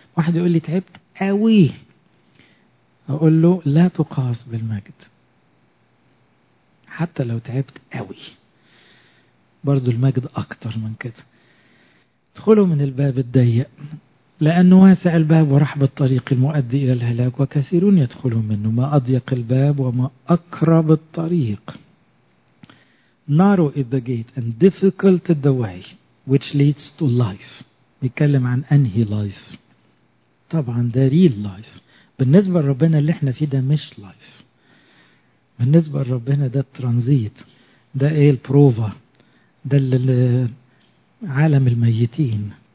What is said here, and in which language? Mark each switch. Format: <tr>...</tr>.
<ar>واحد يقول لي تعبت قوي، أقول له لا تقاس بالمجد حتى لو تعبت قوي، برضو المجد أكتر من كده. ادخلوا من الباب الضيق لأن واسع الباب ورحب الطريق المؤدي إلى الهلاك وكثيرون يدخلون منه، ما أضيق الباب وما أقرب الطريق.</ar> <en>Narrow is the gate and difficult is the way which leads to life.</en> <ar>بيتكلم عن أنهي life، طبعا ده</ar> <en>real life.</en> <ar>بالنسبة لربنا اللي احنا فيه ده مش life، بالنسبة لربنا ده transit، ده ايه البروفة، ده عالم الميتين.</ar>